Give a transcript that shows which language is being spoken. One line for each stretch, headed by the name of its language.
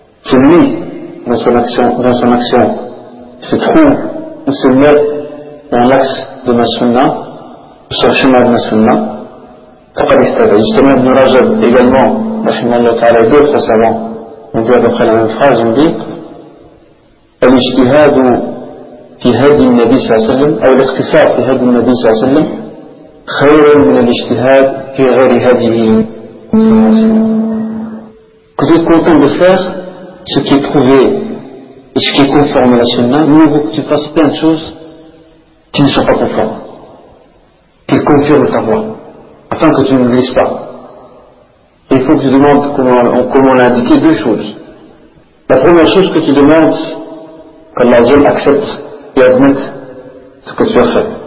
French: Celui, dans son action, se trouve ou se met dans l'axe de ma sunnah, sur le chemin de ma sunnah,
Arabic: faqad ihtada.
French: Justement, Ibn Rajab également, et d'autres savants, on dit à peu près la même phrase, on dit,
Arabic: الاجتهاد في هدي النبي صلى الله عليه وسلم او الاختصاص في هدي النبي صلى الله عليه وسلم خير من الاجتهاد في غير هديه صلى الله عليه وسلم.
French: Que tu es content de faire ce qui est prouvé et ce qui est conforme à la sunna, mieux vaut que tu fasses plein de choses qui ne sont pas conformes, qui confirment ta voix, afin que tu ne glisses pas. Il faut que tu demandes, comment l'indiquer, deux choses. La première chose que tu demandes, qu'Allah accepte et admette ce que tu as fait.